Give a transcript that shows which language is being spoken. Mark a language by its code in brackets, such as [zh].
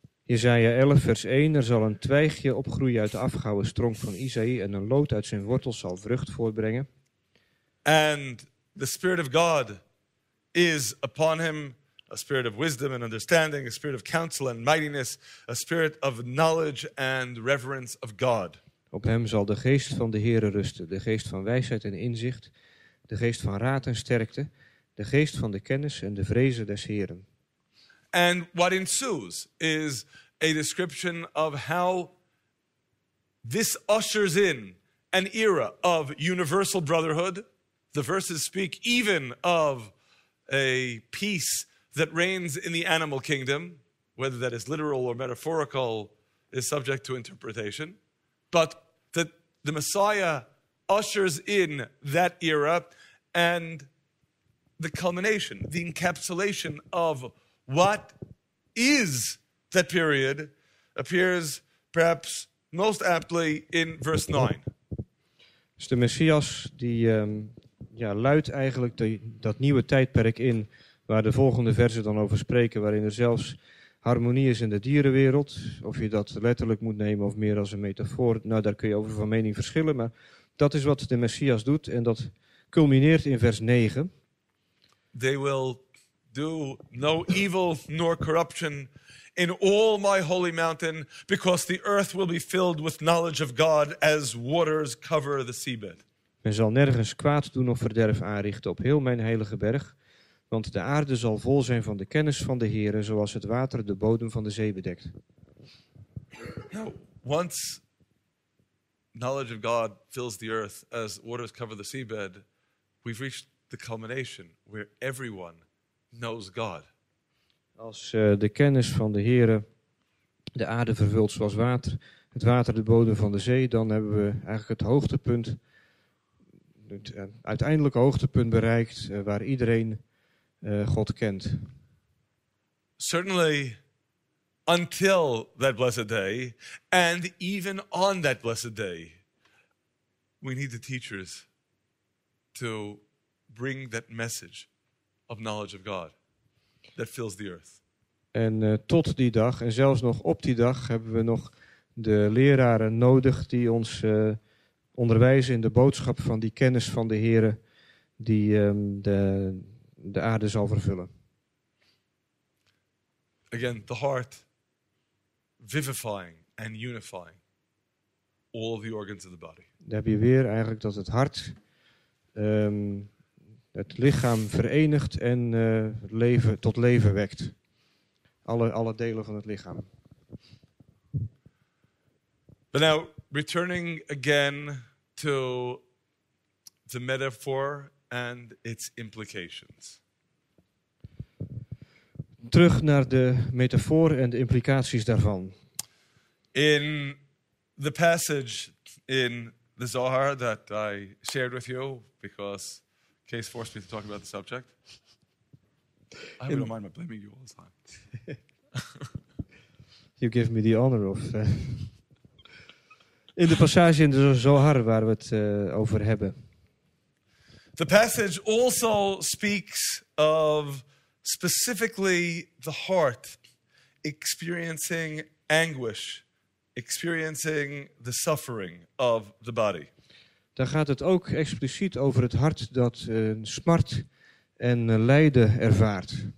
[nl] Isaiah 11 vers 1, er zal een twijgje opgroeien uit de afgehouwen stronk van Isaïe en een loot uit zijn wortels zal vrucht voortbrengen. [en] And the Spirit of God is upon him, a spirit of wisdom and understanding, a spirit of counsel and mightiness, a spirit of knowledge and reverence of God. [nl] Op hem zal de geest van de Heere rusten, de geest van wijsheid en inzicht, de geest van raad en sterkte, de geest van de kennis en de vreze des Heeren. [en] And what ensues is a description of how this ushers in an era of universal brotherhood. The verses speak even of a peace that reigns in the animal kingdom. Whether that is literal or metaphorical is subject to interpretation. But that the Messiah ushers in that era and the culmination, the encapsulation of what is that period appears perhaps most aptly in verse 9. [nl] Dus de Messias die luidt eigenlijk dat nieuwe tijdperk in waar de volgende versen dan over spreken, waarin er zelfs harmonie is in de dierenwereld. Of je dat letterlijk moet nemen of meer als een metafoor, nou daar kun je over van mening verschillen, maar dat is wat de Messias doet en dat culmineert in vers 9. [en] They will do no evil nor corruption in all my holy mountain, because the earth will be filled with knowledge of God as waters cover the seabed. [nl] Men zal nergens kwaad doen of verderf aanrichten op heel mijn heilige berg, want de aarde zal vol zijn van de kennis van de Heere, zoals het water de bodem van de zee bedekt. [en] Now, once knowledge of God fills the earth as waters cover the seabed, we've reached the culmination where everyone knows God. [nl] Als de kennis van de Heere de aarde vervult zoals water, het water de bodem van de zee, dan hebben we eigenlijk het hoogtepunt, het uiteindelijke hoogtepunt bereikt waar iedereen God kent. [en] Certainly until that blessed day, and even on that blessed day, we need the teachers to bring that message of knowledge of God that fills the earth. [nl] En tot die dag, en zelfs nog op die dag, hebben we nog de leraren nodig die ons onderwijzen in de boodschap van die kennis van de Heere die de aarde zal vervullen. [en] Again, the heart vivifying and unifying all the organs of the body. [nl] Daar heb je weer eigenlijk dat het hart het lichaam verenigt en leven, tot leven wekt. Alle delen van het lichaam. [en] But now, returning again to the metaphor and its implications. [nl] Terug naar de metafoor en de implicaties daarvan. [en] In the passage in the Zohar that I shared with you, because Kees forced me to talk about the subject. I don't mind my blaming you all the time. You give me the honor of... [nl] In de passage in de Zohar waar we het over hebben. [en] The passage also speaks of specifically the heart experiencing anguish, experiencing the suffering of the body. [nl] Daar gaat het ook expliciet over het hart dat smart en lijden ervaart.